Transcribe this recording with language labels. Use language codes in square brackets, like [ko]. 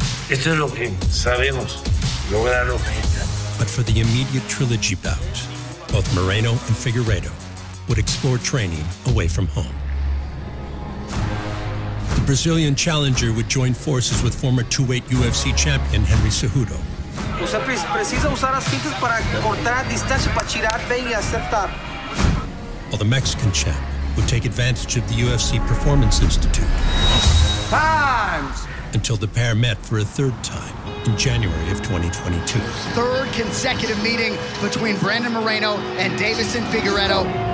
[es] Esto es lo que sabemos lograr los mexicanos. [en] But for the immediate trilogy bout, both Moreno and Figueiredo would explore training away from home. The Brazilian challenger would join forces with former two-weight UFC champion Henry Cejudo. [es] Usted precisa usar las cintas para cortar distancia, para tirar bien y aceptar. [en] While the Mexican champ would take advantage of the UFC Performance Institute. Times! Until the pair met for a third time in January of 2022. Third consecutive meeting between Brandon Moreno and Davison Figueiredo.